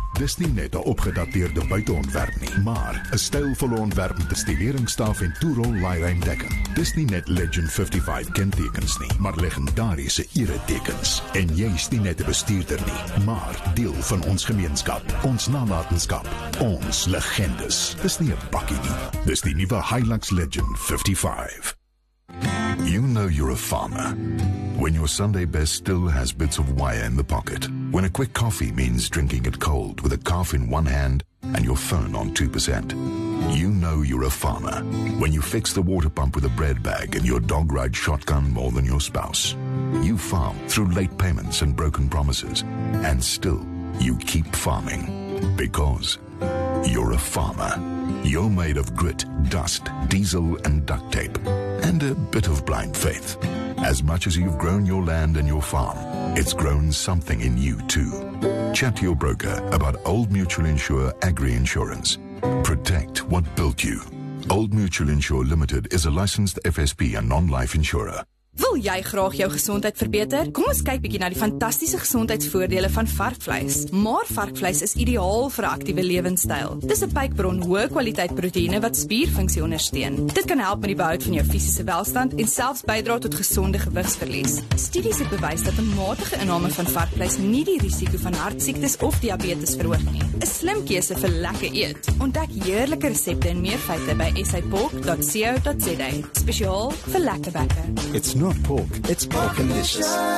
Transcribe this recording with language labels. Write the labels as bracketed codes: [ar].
[af] Dis nie net 'n opgedateerde buiteontwerp nie, maar 'n stylvolle ontwerp met stileringstaaf en toerol laai-ruim dekking. Dis nie net Legend 55 kentekens nie, maar legendariese ere tekens. En jy is nie net 'n bestuurder nie, maar deel van ons gemeenskap, ons nalatenskap, ons legendes. Dis nie 'n bakkie nie. Dis die nuwe Hilux Legend 55. [en] You know you're a farmer when your Sunday best still has bits of wire in the pocket. When a quick coffee means drinking it cold with a cough in one hand and your phone on 2%. You know you're a farmer when you fix the water pump with a bread bag and your dog ride shotgun more than your spouse. You farm through late payments and broken promises. And still, you keep farming. Because you're a farmer. You're made of grit, dust, diesel and duct tape. And a bit of blind faith. As much as you've grown your land and your farm, it's grown something in you too. Chat to your broker about Old Mutual Insure Agri Insurance. Protect what built you. Old Mutual Insure Limited is a licensed FSP and non-life insurer. [af] Wil jy graag jou gesondheid verbeter? Kom ons kyk bietjie na die fantastiese gesondheidsvoordele van varkvleis. Maar varkvleis is ideaal vir 'n aktiewe lewenstyl. Dis 'n pypbron hoë kwaliteit proteïene wat spierfunksie ondersteun. Dit kan help met die behoud van jou fisiese welstand en selfs bydra tot gesonde gewigsverlies. Studies het bewys dat 'n matige inname van varkvleis nie die risiko van hartsiektes of diabetes verhoog nie. 'n Slim keuse vir lekker eet. Ontdek heerlike resepte en meer feite by sapork.co.za. Spesiaal vir lekker bakke. [en] Not pork, it's pork and dishes.